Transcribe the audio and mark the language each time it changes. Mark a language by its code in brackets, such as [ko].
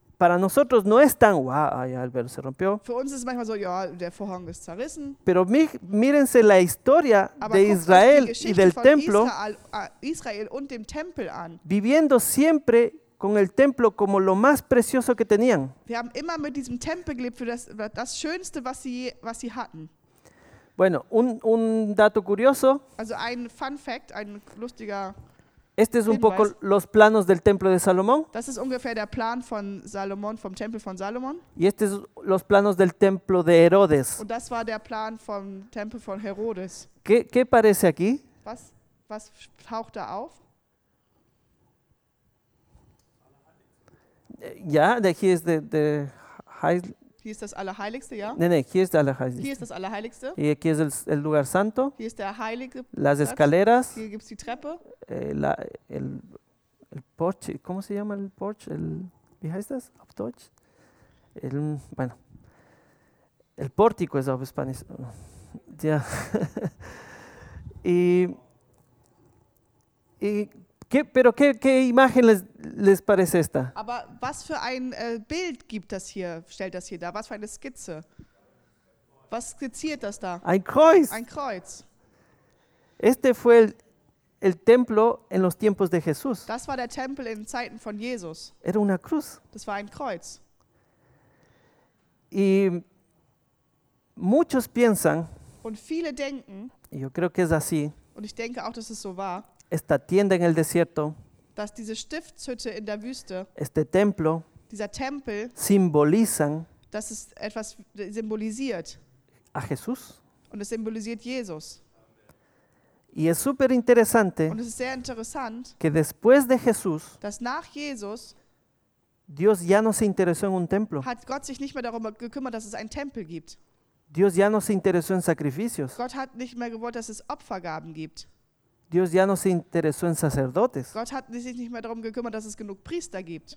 [es] Para nosotros no es tan ya el velo se rompió. [de] Für uns ist es manchmal so, ja, der Vorhang ist zerrissen. [es] Pero mírense la historia de Israel y del templo. [de] Israel und dem Tempel an. [es] Viviendo siempre con el templo como lo más precioso que tenían. [de] Wir haben immer mit diesem Tempel gelebt für das Schönste, was sie hatten. [es] Bueno, un dato curioso. [de] Also ein Fun Fact, ein lustiger. [es] Este es un poco los planos del templo de Salomón. [de] Das ist ungefähr der Plan von Salomón, vom Tempel von Salomón. [es] Y este es los planos del templo de Herodes. [de] Und das war der Plan vom Tempel von Herodes. [es] ¿Qué parece aquí? [de] Was taucht da auf? Ja, hier ist der Hier ist das Allerheiligste, ja? Nee, hier ist der Allerheiligste. Hier ist das Allerheiligste. [es] Y aquí es el lugar santo. [de] Hier ist der Heilige. [es] Las escaleras. [de] Hier gibt's die Treppe. [es] El porche. ¿Cómo se llama el porche? [de] Wie heißt das auf Deutsch? [es] El pórtico es [de] auf Spanisch. Ja. [es] ¿Qué imagen les parece esta? [de] Aber was für ein Bild gibt das hier, stellt das hier dar? Was für eine Skizze? Was skizziert das da? Ein Kreuz. Ein Kreuz. [es] Este fue el templo en los tiempos de Jesús. [de] Das war der Tempel in Zeiten von Jesus. [es] Era una cruz. [de] Das war ein Kreuz. [es] Y muchos piensan. [de] Und viele denken. [es] Yo creo que es así. [de] Und ich denke auch, dass es so war. [es] Esta tienda en el desierto, [de] dass diese Stiftshütte in der Wüste, [es] este templo, [de] dieser Tempel, [es] symbolizan, [de] das ist etwas symbolisiert, [es] a Jesús, [de] und es symbolisiert Jesus. [es] Y es super interesante, [de] und es ist sehr interessant, [es] que después de Jesús, [de] dass nach Jesus, [es] Dios ya no se interesó en un templo, [de] hat Gott sich nicht mehr darum gekümmert, dass es einen Tempel gibt. [es] Dios ya no se interesó en sacrificios. [de] Gott hat nicht mehr gewollt, dass es Opfergaben gibt. [es] Dios ya no se interesó en sacerdotes. [de] Gott hat sich nicht mehr darum gekümmert, dass es genug Priester gibt.